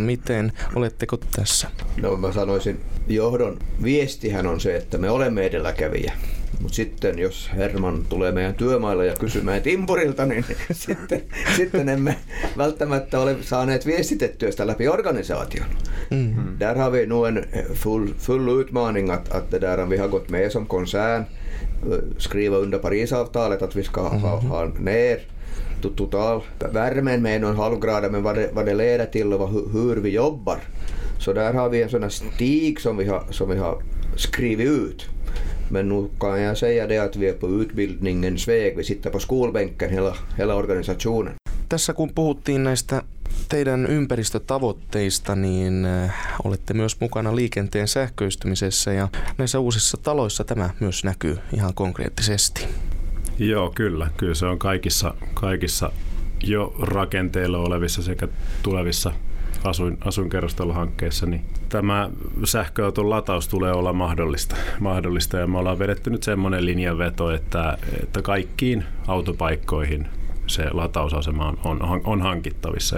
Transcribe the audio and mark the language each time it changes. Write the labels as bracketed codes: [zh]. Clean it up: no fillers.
[fi] Miten oletteko tässä? No mä sanoisin, johdon viestihän on se, että me olemme edelläkävijä. Mutta sitten jos Herman tulee meidän työmailla ja kysymään timpurilta, niin sitten emme välttämättä ole saaneet viestitettyä sitä läpi organisaation. Mm-hmm. [sv] Där har vi nu en full utmaning att det där vi har gått med som koncern, skriva under Parisavtalet att vi ska ha ner total värmen med någon halvgrad, men vad det leder till och hur vi jobbar. Så där har vi en sån här stig som vi har skrivit ut. Men nu kan jag säga det att vi är på utbildningens väg. Vi sitter på skolbänken hela organisationen. [fi] Tässä kun puhuttiin näistä teidän ympäristötavoitteista, niin olette myös mukana liikenteen sähköistymisessä ja näissä uusissa taloissa tämä myös näkyy ihan konkreettisesti. Joo, kyllä. Kyllä se on kaikissa jo rakenteilla olevissa sekä tulevissa asuinkerrostalohankkeissa, niin tämä sähköauton lataus tulee olla mahdollista ja me ollaan vedetty nyt semmoinen linjanveto, että kaikkiin autopaikkoihin se latausasema on hankittavissa.